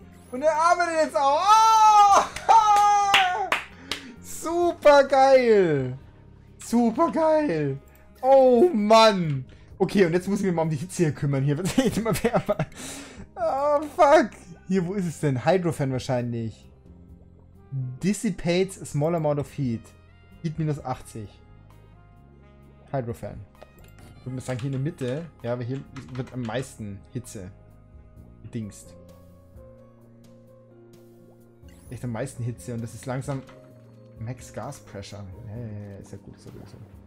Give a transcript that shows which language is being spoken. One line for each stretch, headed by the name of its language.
German: Und er arbeitet jetzt auch! Oh! Super geil! Super geil! Oh Mann! Okay, und jetzt muss ich mich mal um die Hitze hier kümmern. Hier wird es echt immer wärmer. Oh fuck! Hier, wo ist es denn? Hydrofan wahrscheinlich.
English: Dissipates a small amount of heat. Heat minus 80. Hydrofan.
German: Ich würde sagen, hier in der Mitte, ja, aber hier wird am meisten Hitze gedingst. Echt am meisten Hitze und das ist langsam Max Gas Pressure. Ja, ist ja gut zur Lösung.